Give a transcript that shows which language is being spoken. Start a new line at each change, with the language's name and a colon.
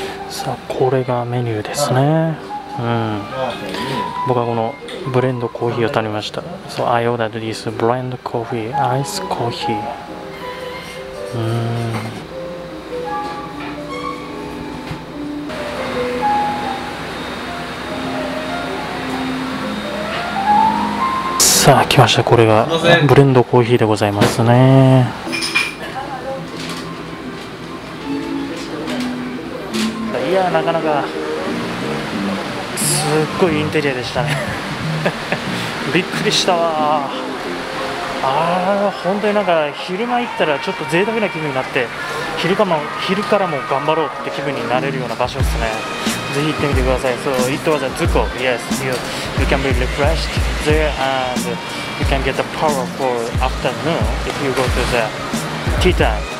Japanese: さあ、これがメニューですね。僕はこのブレンドコーヒーを頼みました。
English: So I ordered this blend coffee, ice coffee.
Japanese: さあ来ました、これがブレンドコーヒーでございますね。いやなかなかすっごいインテリアでしたねびっくりしたわ。本当になんか昼間行ったらちょっと贅沢な気分になって、昼からも頑張ろうって気分になれるような場所ですね。ぜひ行ってみてください。
English: So it was a Zuko. Yes, you can be refreshed there and you can get the power for afternoon if you go to the tea time.